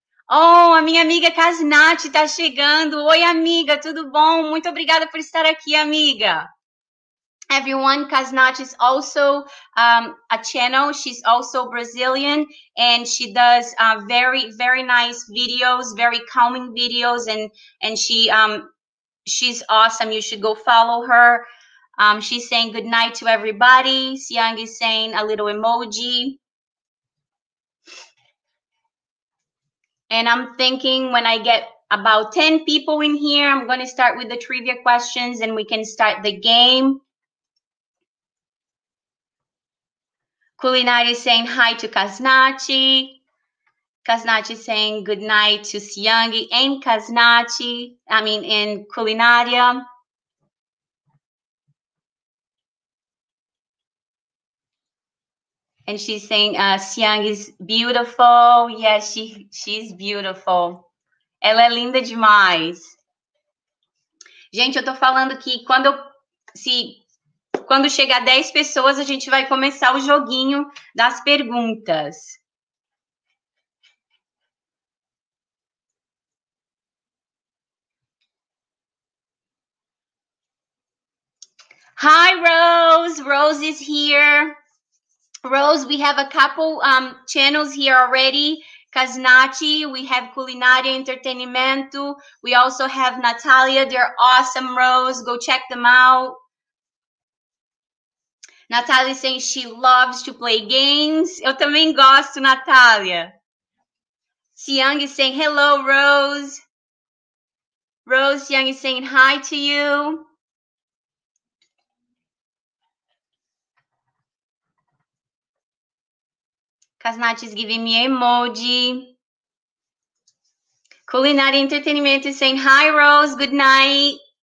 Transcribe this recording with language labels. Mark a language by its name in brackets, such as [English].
[Portuguese] Oh, a minha amiga Kasnati tá chegando. Oi, amiga, tudo bom? Muito obrigada por estar aqui, amiga. [English] Everyone, Kasnati is also a channel. She's also Brazilian, and she does very, very nice videos, very calming videos, and she's awesome. You should go follow her. She's saying good night to everybody. Siang is saying a little emoji. And I'm thinking when I get about 10 people in here, I'm going to start with the trivia questions, and we can start the game. Culinary saying hi to Kaznachi. Kaznachi saying good night to Siyangi and Kaznachi. I mean, in Culinaria. And she's saying Siang is beautiful. Yes, yeah, she's beautiful. [Portuguese] Ela é linda demais. Gente, eu tô falando que quando chegar 10 pessoas, a gente vai começar o joguinho das perguntas. [English] Hi, Rose. Rose is here. Rose, we have a couple channels here already. Kaznachi, we have Culinária Entretenimento. We also have Natalia. They're awesome, Rose. Go check them out. Natalia saying she loves to play games. [Portuguese] Eu também gosto, Natalia. [English] Siang is saying hello, Rose. Rose, Siang is saying hi to you. Kaznachi is giving me emoji. Culinary Entertainment is saying, hi, Rose, good night.